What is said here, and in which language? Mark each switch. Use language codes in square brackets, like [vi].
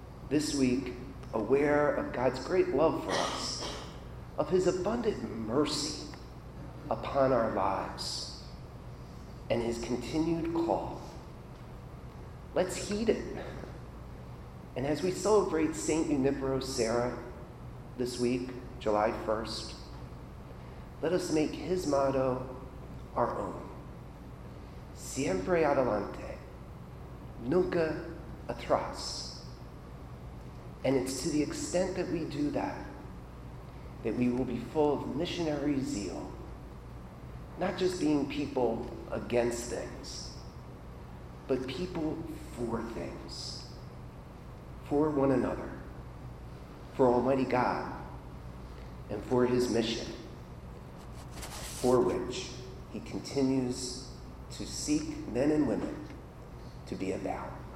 [en] This week, aware of God's great love for us, of his abundant mercy upon our lives, and his continued call. Let's heed it. And as we celebrate St. Junipero Serra this week, July 1st, let us make his motto our own. [es] Siempre adelante, nunca atrás. [en] And it's to the extent that we do that, that we will be full of missionary zeal, not just being people against things, but people for things, for one another, for Almighty God, and for his mission, for which he continues to seek men and women to be about.